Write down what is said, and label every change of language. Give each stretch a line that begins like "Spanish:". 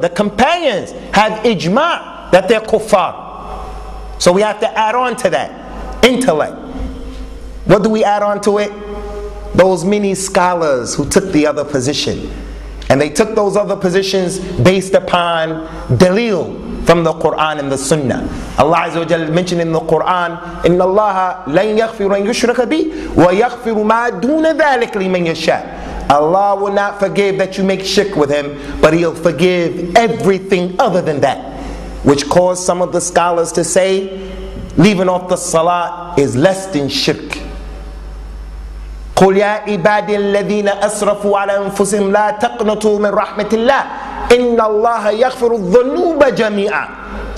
English: The companions have ijma that they're kuffar. So we have to add on to that intellect. What do we add on to it? Those many scholars who took the other position. And they took those other positions based upon dalil from the Quran and the Sunnah. Allah Azza wa Jalla mentioned in the Quran,
Arabic: إِنَّ اللَّهَ لَنْ يَغْفِرُ أَنْ يُشْرَكَ بِي وَيَغْفِرُ مَا دُونَ ذَلِكَ لِمَنْ يَشَاءُ.
English: Allah will not forgive that you make shirk with Him, but He'll forgive everything other than that. which caused some of the scholars to say, leaving off the salah is less than shirk.
Arabic: قُلْ يَا عِبَادِيَ الَّذِينَ أَسْرَفُوا عَلَىٰ أَنفُسِهِمْ لَا تَقْنَطُوا مِنْ رَحْمَةِ اللَّهِ إِنَّ اللَّهَ يَغْفِرُ الذُّنُوبَ جَمِيعًا.